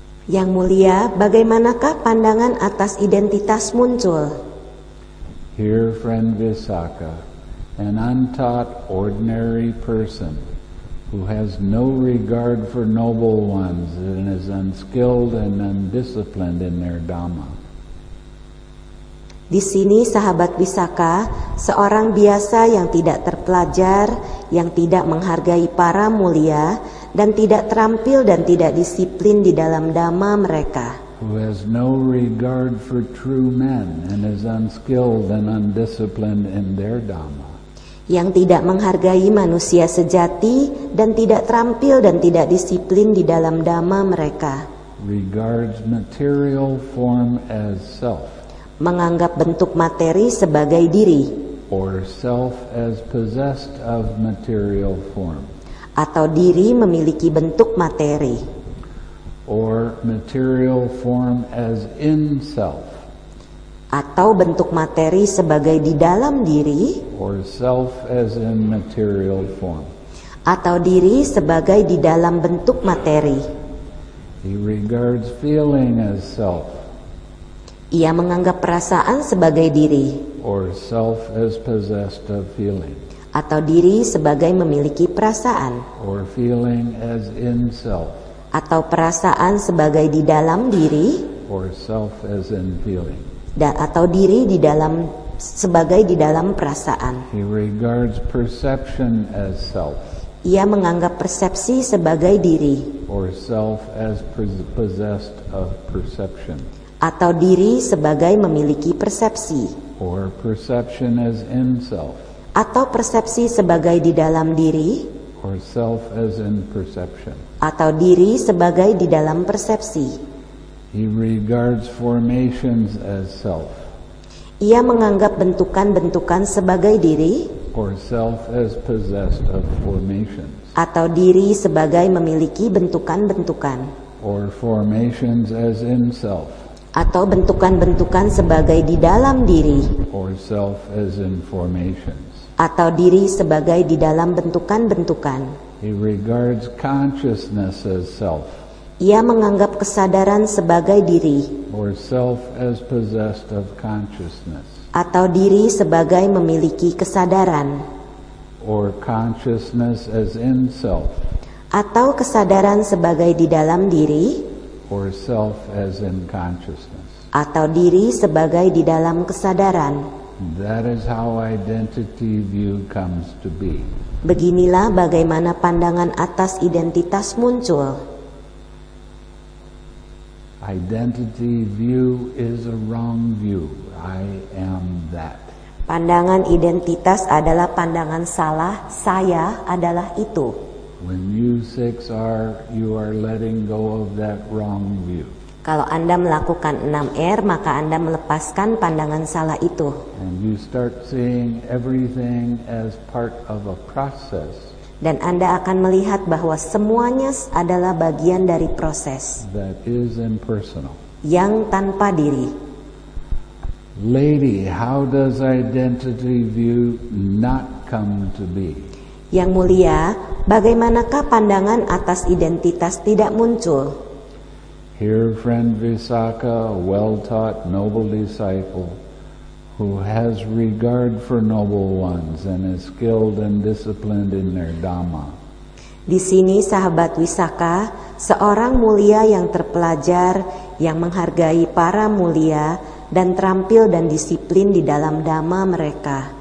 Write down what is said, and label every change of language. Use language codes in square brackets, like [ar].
[id] Yang mulia, bagaimanakah pandangan atas identitas muncul? [en] Here, friend Visakha, an untaught ordinary person who has no regard for noble ones and is unskilled and undisciplined in their dhamma. [id] Di sini sahabat Visakha, seorang biasa yang tidak terpelajar, yang tidak menghargai para mulia, dan tidak terampil dan tidak disiplin di dalam dhamma mereka. [en] Who has no regard for true men and is unskilled and undisciplined in their dhamma. [id] Yang tidak menghargai manusia sejati dan tidak terampil dan tidak disiplin di dalam dhamma mereka. [en] Regards material form as self. [id] Menganggap bentuk materi sebagai diri. [en] Or self as possessed of material form. [id] Atau diri memiliki bentuk materi. [en] Or material form as in self. [id] Atau bentuk materi sebagai di dalam diri. [en] Or self as in material form. [id] Atau diri sebagai di dalam bentuk materi. [en] He regards feeling as self. [id] Ia menganggap perasaan sebagai diri. [en] Or self as possessed of feeling. [id] Atau diri sebagai memiliki perasaan. [en] Or feeling as in self. [id] Atau perasaan sebagai di dalam diri. [en] Or self as in feeling. [id] Dan atau diri di dalam sebagai di dalam perasaan. [en] He regards perception as self. [id] Ia menganggap persepsi sebagai diri. [en] Or self as possessed of perception. [id] Atau diri sebagai memiliki persepsi. [en] Or perception as in self. [id] Atau persepsi sebagai di dalam diri. [en] Or self as in perception. [id] Atau diri sebagai di dalam persepsi. [en] He regards formations as self. [id] Ia menganggap bentukan-bentukan sebagai diri. [en] Or self as possessed of formations. [id] Atau diri sebagai memiliki bentukan-bentukan. [en] Or formations as in self. [id] Atau bentukan-bentukan sebagai di dalam diri. [en] Or self as in formations. [id] Atau diri sebagai di dalam bentukan-bentukan. [en] He regards consciousness as self. [id] Ia menganggap kesadaran sebagai diri. [en] Or self as possessed of consciousness. [id] Atau diri sebagai memiliki kesadaran. [en] Or consciousness as in self. [id] Atau kesadaran sebagai di dalam diri. [en] Or self as in consciousness. [id] Atau diri sebagai di dalam kesadaran. [en] That is how identity view comes to be. [id] Beginilah bagaimana pandangan atas identitas muncul. [en] Identity view is a wrong view. I am that. [id] Pandangan identitas adalah pandangan salah. Saya adalah itu. [en] When you six are, you are letting go of that wrong view. [id] Kalau Anda melakukan 6R, maka Anda melepaskan pandangan salah itu. [en] And you start seeing everything as part of a process. [id] Dan Anda akan melihat bahwa semuanya adalah bagian dari proses. [en] That is impersonal. [id] Yang tanpa diri. [en] Lady, how does identity view not come to be? [id] Yang mulia, bagaimanakah pandangan atas identitas tidak muncul? [en] Here, friend Visakha, a well-taught noble disciple who has regard for noble ones and is skilled and disciplined in their dhamma. [id] Di sini sahabat Visakha, seorang mulia yang terpelajar, yang menghargai para mulia dan terampil dan disiplin di dalam dhamma mereka.